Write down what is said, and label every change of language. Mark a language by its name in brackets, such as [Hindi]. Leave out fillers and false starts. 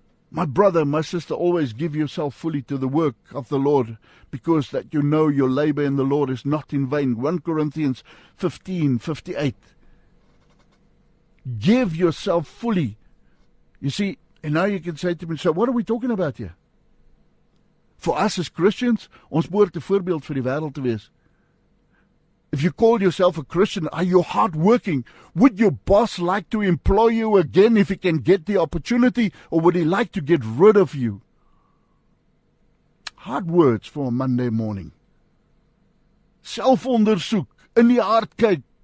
[English] My brother, my sister, always give yourself fully to the work of the Lord, because that you know your labor in the Lord is not in vain. 1 Corinthians 15:58. Give yourself fully. You see, and now you can say to me, so what are we talking about here? For us as Christians, [Afrikaans] ons moet 'n voorbeeld vir die wêreld te wees. [English] If you call yourself a Christian, are you hardworking? Would your boss like to employ you again if he can get the opportunity, or would he like to get rid of you? Hard words for a Monday morning. [Afrikaans] Self-onderzoek, in die hart kyk.